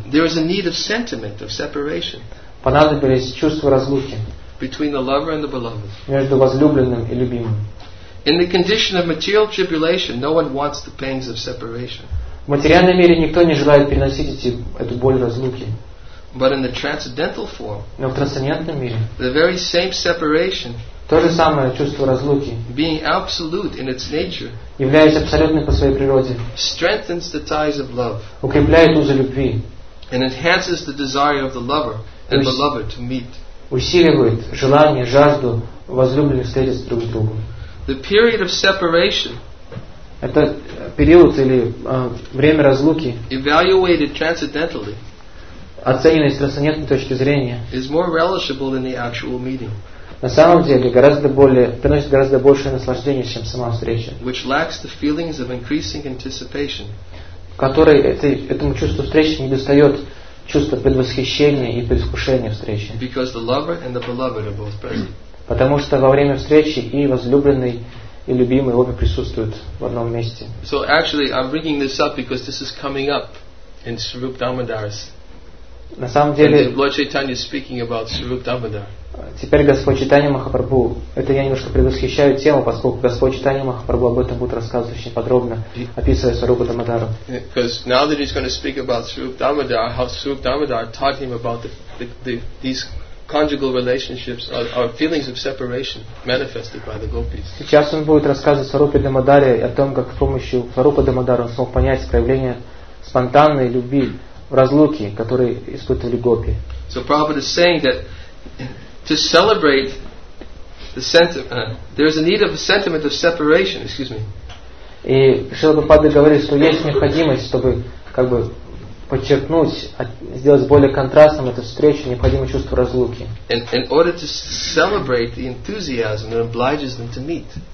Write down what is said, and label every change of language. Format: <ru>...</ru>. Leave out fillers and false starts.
<en>there is a need of sentiment, of separation.</en> <ru>Понадобились чувства разлуки.</ru> <en>Between the lover and the beloved.</en> <ru>Между возлюбленным и любимым.</ru> <en>In the condition of material tribulation, no one wants the pangs of separation.</en> <ru>В материальном мире никто не желает переносить эту боль разлуки.</ru> <en>But in the transcendental form.</en> <ru>Но в трансцендентном мире.</ru> <en>The very same separation.</en> <ru>То же самое чувство разлуки.</ru> <en>Being absolute in its nature.</en> <ru>Являясь абсолютным по своей природе.</ru> <en>Strengthens the ties of love.</en> <ru>Укрепляет узы любви.</ru> <en>And enhances the desire of the lover and beloved to meet.</en> <ru>Усиливает желание, жажду возлюбленных встретиться друг с другом.</ru> <en>The period of separation.</en> <ru>Это период или время разлуки.</ru> <en>Evaluated transcendentally.</en> <ru>Оцененной с трансцендентной точки зрения.</ru> <en>Is more relishable than the actual meeting.</en> <ru>На самом деле приносит гораздо большее наслаждение, чем сама встреча.</ru> <en>Which lacks the feelings of increasing anticipation.</en> <ru>Которой этому чувству встречи не достает чувства предвосхищения и предвкушения встречи.</ru> <en>Because the lover and the beloved are both present.</en> <ru>Потому что во время встречи и возлюбленный, и любимый обе присутствуют в одном месте.</ru> <en>So actually I'm bringing this up because this is coming up in Śrī Rūpa Dāmadāra's.</en> <ru>На самом деле,</ru> <en>Lord Chaitanya is speaking about Swarup Damodara.</en> <ru>Теперь Господь Чайтанья Махапрабху, это я немножко предвосхищаю тему, поскольку Господь Чайтанья Махапрабху об этом будет рассказывать очень подробно, описывая Сварупу Дамодару.</ru> <en>Because now that he's going to speak about Swarup Damodara, how Swarup Damodara taught him about these conjugal relationships or feelings of separation manifested by the gopis.</en> <ru>Сейчас он будет рассказывать Сварупе Дамодаре о том, как с помощью Сварупы Дамодара он смог понять проявление спонтанной любви в разлуке, которую испытывали гопи.</ru> <en>So Prabhupada is saying that to celebrate the sentiment, there is a need of a sentiment of separation. Excuse me.</en> <ru>И Шрила Прабхупада говорит, что есть необходимость, чтобы как бы подчеркнуть, сделать более контрастным эту встречу, необходимо чувство разлуки.</ru> <en>In order to celebrate the enthusiasm that obliges them to meet.</en>